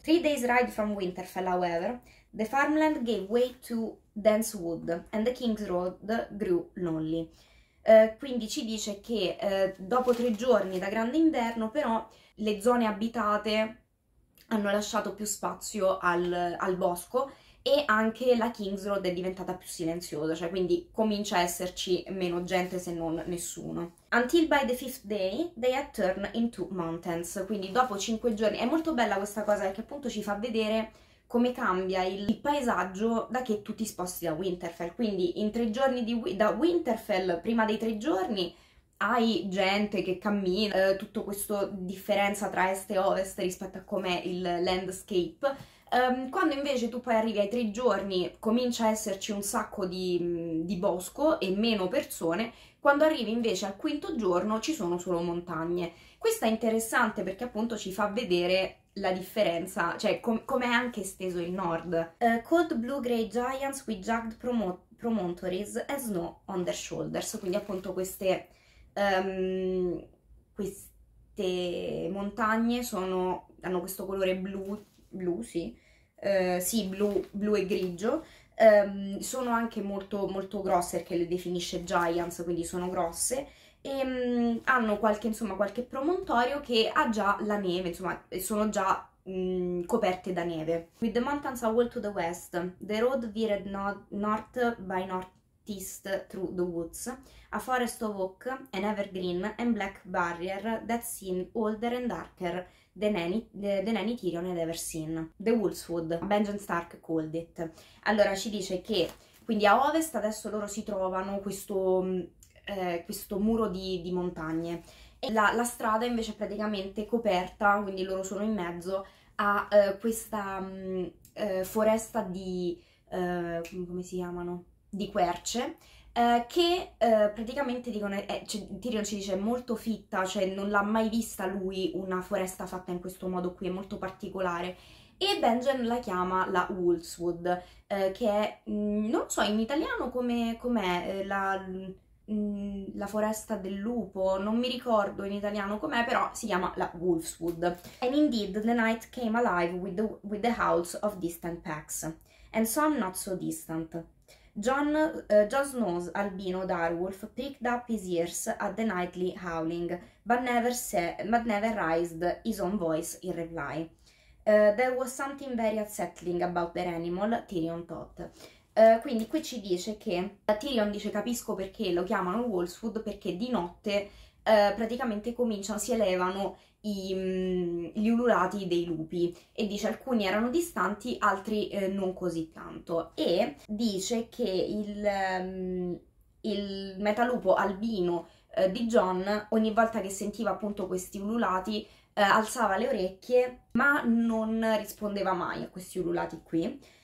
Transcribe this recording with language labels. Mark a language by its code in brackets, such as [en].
[en] 3 days ride from Winterfell, however, the farmland gave way to dense wood and the King's Road grew lonely. [it] Quindi ci dice che dopo 3 giorni da grande inverno, però le zone abitate hanno lasciato più spazio al bosco e anche la King's Road è diventata più silenziosa, cioè quindi comincia a esserci meno gente se non nessuno. [en] Until by the fifth day they had turned into mountains. [it] Quindi dopo 5 giorni. È molto bella questa cosa perché appunto ci fa vedere come cambia il paesaggio da che tu ti sposti da Winterfell. Quindi in 3 giorni da Winterfell, prima dei 3 giorni, hai gente che cammina, tutta questa differenza tra est e ovest rispetto a com'è il landscape. Quando invece tu poi arrivi ai 3 giorni, comincia a esserci un sacco di bosco e meno persone. Quando arrivi invece al quinto giorno, ci sono solo montagne. Questo è interessante perché appunto ci fa vedere la differenza, cioè com'è anche esteso il nord. [en] Cold blue grey giants with jagged promontories and snow on their shoulders. [it] Quindi appunto queste montagne hanno questo colore blu, sì. Sì, blu e grigio, sono anche molto, molto grosse perché le definisce Giants, quindi sono grosse e hanno qualche, insomma, qualche promontorio che ha già la neve, insomma, sono già coperte da neve. [en] With the mountains all to the west, the road veered north by northeast through the woods, a forest of oak, an evergreen and black barrier that seemed older and darker than any Tyrion had ever seen. The Wolfswood, Benjen Stark called it. [it] Allora ci dice che quindi a ovest adesso loro si trovano questo muro di montagne e la strada invece è praticamente coperta, quindi loro sono in mezzo a questa foresta di come si chiamano? Di querce. Che praticamente dicono, Tyrion ci dice, è molto fitta, cioè non l'ha mai vista lui una foresta fatta in questo modo qui, è molto particolare. E Benjen la chiama la Wolfswood, che è, non so in italiano com'è, la foresta del lupo, non mi ricordo in italiano com'è, però si chiama la Wolfswood. [en] And indeed the night came alive with the howls of distant packs, and some not so distant. Jon Snow's albino direwolf pricked up his ears at the nightly howling, but never raised his own voice in reply. There was something very unsettling about their animal, Tyrion thought. [it] Quindi qui ci dice che Tyrion dice: capisco perché lo chiamano Wolfswood, perché di notte praticamente cominciano, si elevano gli ululati dei lupi e dice alcuni erano distanti, altri non così tanto. E dice che il metalupo albino di John, ogni volta che sentiva appunto questi ululati, alzava le orecchie, ma non rispondeva mai a questi ululati qui.